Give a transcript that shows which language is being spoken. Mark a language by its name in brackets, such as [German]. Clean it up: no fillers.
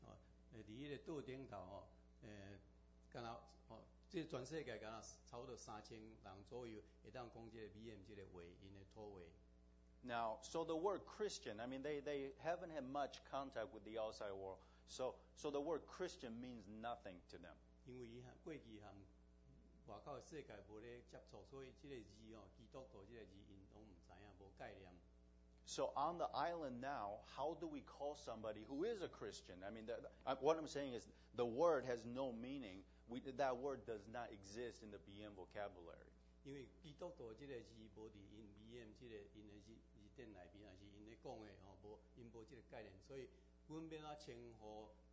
[Min Nan Chinese] 在那个岛顶头，这全世界刚好差不多3,000人左右，会当讲这个 BM 这个话，因的土话。 [English] Now, so the word Christian, I mean, they haven't had much contact with the outside world, so the word Christian means nothing to them. [Min Nan Chinese] 因为伊含过去含外口世界无咧接触，所以这个字哦，基督徒这个字，因拢唔知影，无概念。 [English] So on the island now, how do we call somebody who is a Christian? I mean, what I'm saying is the word has no meaning. That word does not exist in the BM vocabulary. [Min Nan Chinese] 因为基督徒这个字无伫因 BM 这个因的字典内边，还是因咧讲的吼，无因无这个概念，所以阮变啊称呼。